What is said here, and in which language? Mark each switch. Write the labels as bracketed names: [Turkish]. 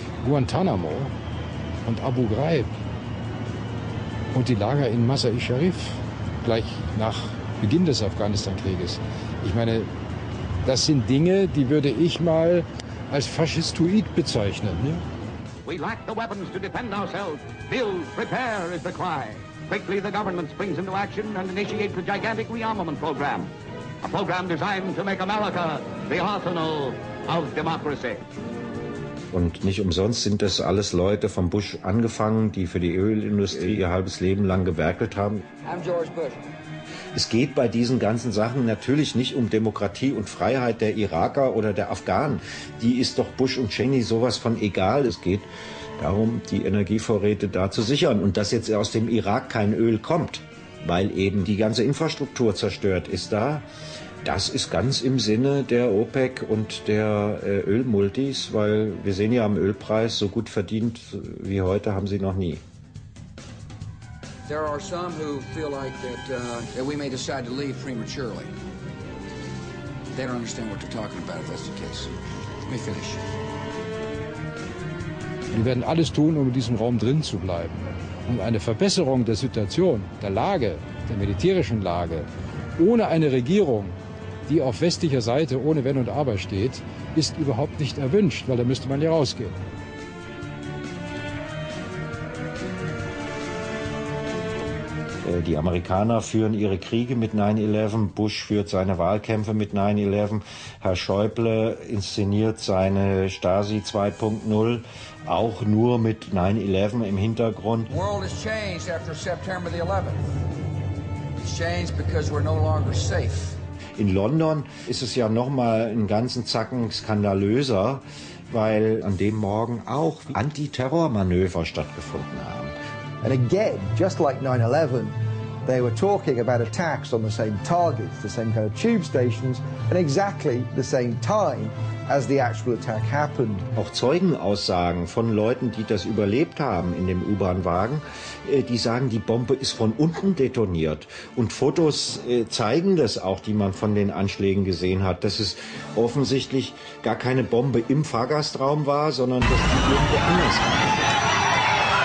[German] Guantanamo und Abu Ghraib und die Lager in Mazar-i-Sharif gleich nach Beginn des Afghanistan-Krieges. Ich meine, das sind Dinge, die würde ich mal als Faschistoid bezeichnen. Ja? [English] We lack the weapons to defend ourselves. Build, prepare is the cry. Quickly the government springs into action and initiates a gigantic rearmament program. A program designed to make America the arsenal of democracy. [German] Und nicht umsonst sind das alles Leute vom Bush angefangen, die für die Ölindustrie ihr halbes Leben lang gewerkelt haben. [English] I'm George Bush. [German] Es geht bei diesen ganzen Sachen natürlich nicht um Demokratie und Freiheit der Iraker oder der Afghanen. Die ist doch Bush und Cheney sowas von egal. Es geht darum, die Energievorräte da zu sichern und dass jetzt aus dem Irak kein Öl kommt. weil eben die ganze Infrastruktur zerstört ist da. Das ist ganz im Sinne der OPEC und der Ölmultis, weil wir sehen ja am Ölpreis, so gut verdient wie heute haben sie noch nie. [English] There are some who feel like that that we may decide to leave prematurely. They don't understand what they're talking about, if that's the case. Let me finish. [German] Wir werden alles tun, um in diesem Raum drin zu bleiben. Um eine Verbesserung der Situation, der Lage, der militärischen Lage, ohne eine Regierung, die auf westlicher Seite ohne Wenn und Aber steht, ist überhaupt nicht erwünscht, weil da müsste man ja rausgehen. Die Amerikaner führen ihre Kriege mit 9-11, Bush führt seine Wahlkämpfe mit 9-11, Herr Schäuble inszeniert seine Stasi 2.0 auch nur mit 9-11 im Hintergrund. [English] The world has changed after September the 11th. It's changed because we're no longer safe. [German] In London ist es ja nochmal einen ganzen Zacken skandalöser, weil an dem Morgen auch Antiterrormanöver stattgefunden haben. [English] And again, just like 9-11, they were talking about attacks on the same targets, the same kind of tube stations, and exactly the same time as the actual attack happened. [German] Auch Zeugenaussagen von Leuten, die das überlebt haben in dem U-Bahn-Wagen, die sagen, die Bombe ist von unten detoniert. Und Fotos zeigen das auch, die man von den Anschlägen gesehen hat, dass es offensichtlich gar keine Bombe im Fahrgastraum war, sondern dass die irgendwo anders war.